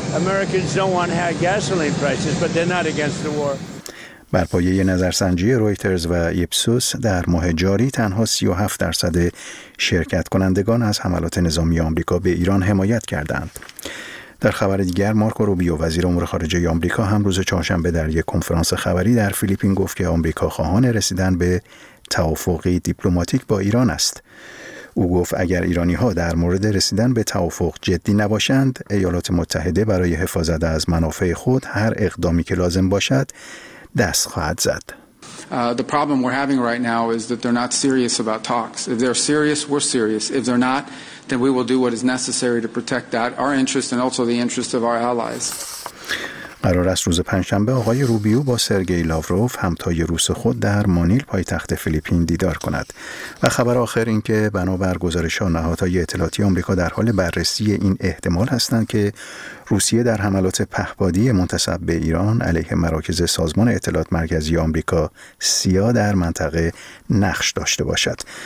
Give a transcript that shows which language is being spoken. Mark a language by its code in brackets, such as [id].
[en] Americans don't want high gasoline prices, but they're not against the war. [fa] بر پایه نظرسنجی رویترز و ایپسوس در ماه جاری تنها 37% شرکت کنندگان از حملات نظامی آمریکا به ایران حمایت کردند. در خبر دیگر، مارکو روبیو وزیر امور خارجه آمریکا هم روز چهارشنبه در یک کنفرانس خبری در فیلیپین گفت که آمریکا خواهان رسیدن به توافقی دیپلماتیک با ایران است. او گفت اگر ایرانی‌ها در مورد رسیدن به توافق جدی نباشند، ایالات متحده برای حفاظت از منافع خود هر اقدامی که لازم باشد دست خواهد زد. [en] The problem we're having right now is that they're not serious about talks. If they're serious, we're serious. If they're not, then we will do what is necessary to protect that our interest and also the interest of our allies. [fa] قرار است روز پنجشنبه آقای روبیو با سرگی لاوروف همتای روس خود در مانیل پایتخت فیلیپین دیدار کند. و خبر آخر این که بنابر گزارش‌ها نهادهای اطلاعاتی آمریکا در حال بررسی این احتمال هستند که روسیه در حملات پهپادی منتسب به ایران علیه مراکز سازمان اطلاعات مرکزی آمریکا سیا در منطقه نقش داشته باشد.